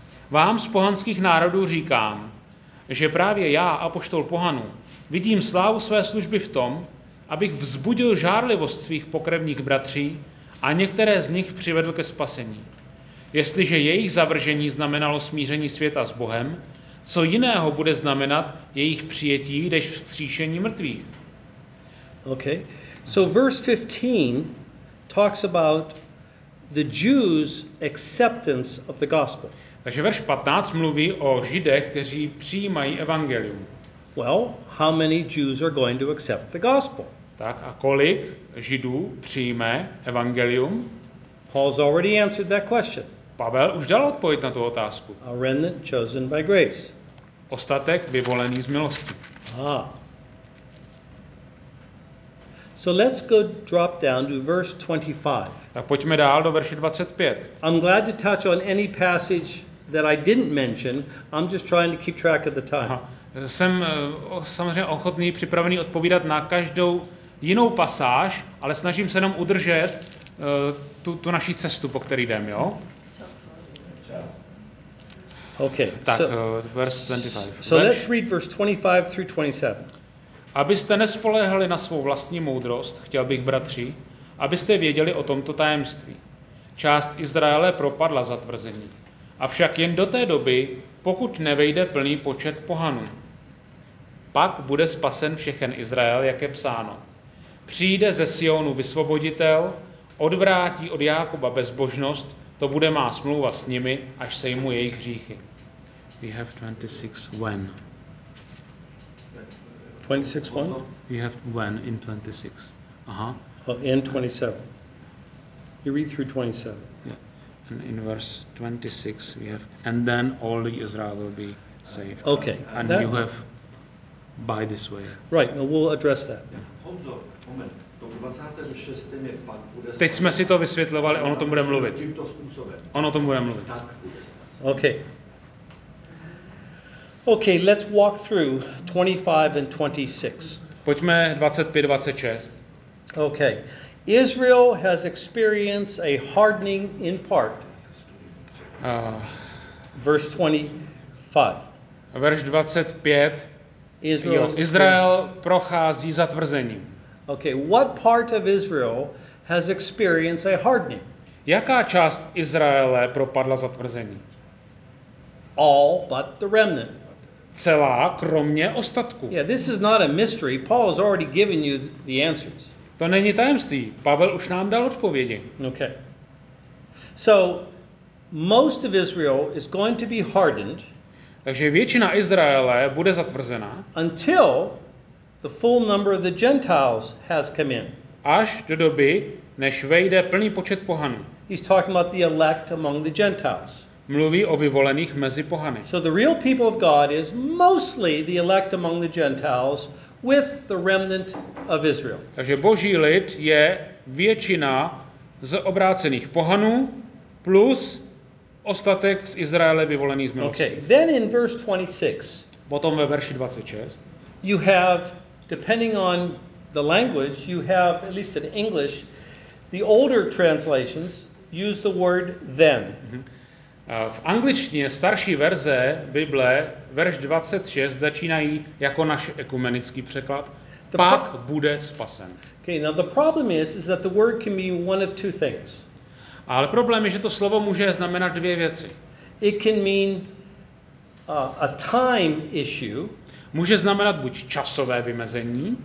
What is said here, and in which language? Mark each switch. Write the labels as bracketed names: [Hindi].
[Czech] Vám z pohanských národů říkám, že právě já, apoštol pohanů, vidím slávu své služby v tom, abych vzbudil žárlivost svých pokrevních bratří a některé z nich přivedl ke spasení. Jestliže jejich zavržení znamenalo smíření světa s Bohem, co jiného bude znamenat jejich přijetí, než vzkříšení mrtvých? [English] Okay. So verse 15 talks about the Jews' acceptance of the gospel. [Czech] Takže verš 15 mluví o Židech, kteří přijímají evangelium. [English] Well, how many Jews are going to accept the gospel? [Czech] Tak a kolik Židů přijme evangelium? [English] Paul's already answered that question. [Czech] Pavel už dal odpověď na tu otázku. [English] A remnant chosen by grace. [Czech] Ostatek vyvolený z milosti. Ah. [English] So let's go drop down to verse 25. [Czech] Tak pojďme dál do verše 25. [English] I'm glad to touch on any passage that I didn't mention. I'm just trying to keep track of the time. Aha. [Czech] Jsem samozřejmě ochotný, připravený odpovídat na každou jinou pasáž, ale snažím se nám udržet tu naši cestu, po které jdem, jo? [English] Okay. Tak, so, verse 25. So let's read verse 25 through 27. [Czech] Abyste nespoléhali na svou vlastní moudrost, chtěl bych, bratři, abyste věděli o tomto tajemství. Část Izraele propadla za tvrzení. Avšak jen do té doby, pokud nevejde plný počet pohanů. Pak bude spasen všechen Izrael, jak je psáno. Přijde ze Sionu vysvoboditel, odvrátí od Jákoba bezbožnost, to bude má smlouva s nimi, až sejmu jejich hříchy. [English] We have 26 when. 26 when? We have when in 26. Aha. Oh, in 27. You read through 27. Yeah. And in verse 26 we have, and then all the Israel will be saved. Okay. And that, you have by this way. Right, now we'll address that. Honzo, yeah. Moment. [Czech] Teď jsme si to vysvětlovali, ono to bude mluvit. Ono to bude mluvit. [English] Okay. Okay, let's walk through 25 and 26. [Czech] Pojďme 25, 26. [English] Okay. Israel has experienced a hardening in part. Verse [Czech] 25. Verš 25. Izrael prochází zatvrzením. [English] Okay, what part of Israel has experienced a hardening? [Czech] Jaká část Izraele propadla zatvrzení? [English] All but the remnant. [Czech] Celá kromě ostatku. [English] Yeah, this is not a mystery. Paul has already given you the answers. [Czech] To není tajemství. Pavel už nám dal odpovědi. [English] Okay. So most of Israel is going to be hardened. [Czech] Takže většina Izraele bude zatvrzená. [English] Until the full number of the Gentiles has come in. [Czech] Až do doby, než vejde plný počet pohanů. [English] He's talking about the elect among the Gentiles. [Czech] Mluví o vyvolených mezi pohany. [English] So the real people of God is mostly the elect among the Gentiles with the remnant of Israel. [Czech] Takže Boží lid je většina z obrácených pohanů plus ostatek z Izraele vyvolený z milosti. [English] Okay. Then in verse 26. [Czech] Potom ve verši 26. [English] You have, depending on the language, you have, at least in English, the older translations use the word then. [Czech] V angličtině starší verze Bible, verš 26, začínají jako náš ekumenický překlad, pak bude spasen. [English] Okay, now the problem is that the word can mean one of two things. [Czech] Ale problém je, že to slovo může znamenat dvě věci. [English] It can mean a time issue. [Czech] Může znamenat buď časové vymezení,